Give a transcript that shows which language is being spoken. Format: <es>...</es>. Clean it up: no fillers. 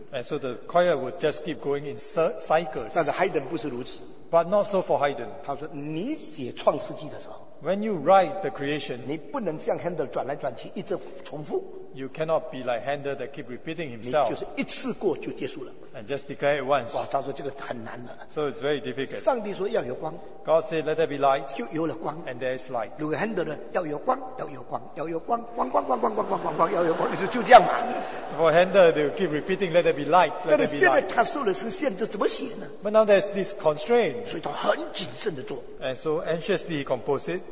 <en>And so the choir would just keep going in cycles.</en> <zh>但是 Haydn 不是如此。</zh> <en>But not so for Haydn.</en> <zh>他说，你写创世纪的时候。</zh> <en>When you write the creation,</en> <zh>你不能像 Handel 转来转去一直重复。</zh> <en>You cannot be like Handel that keep repeating himself.</en> <zh>你就是一次过就结束了。</zh> <en>And just declare it once.</en> <zh>哇，他说这个很难的。</zh> <en>So it's very difficult.</en> <zh>上帝说要有光。</zh> <en>God said, "Let there be light."</en> <zh>就有了光。</zh> <en>And there is light.</en> <zh>如果 Handel 要有光，要有光，要有光，光光光光光光光光，要有光，你说就这样嘛。</zh> <en>For Handel, they keep repeating, "Let there be light."</en> <zh>但是现在他受的是限制，怎么写呢？</zh> <en>But now there's this constraint.</en> <zh>所以他很谨慎的做。</zh> <en>And so anxiously he composed it.</en>